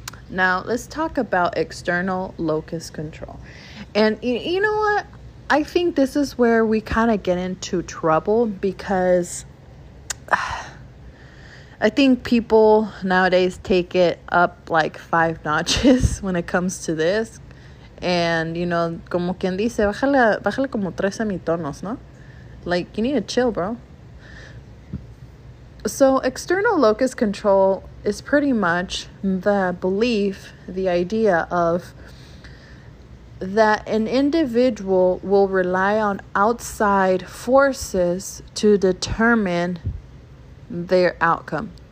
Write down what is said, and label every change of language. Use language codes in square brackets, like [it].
[en] Now, let's talk about external locus control. And you know what? I think this is where we kind of get into trouble because I think people nowadays take it up like five notches when it comes to this. And, you know, [es] como quien dice, bájale como tres a mi tonos, ¿no? [en] Like, you need to chill, bro. So external locus control is pretty much the belief, the idea of that an individual will rely on outside forces to determine their outcome.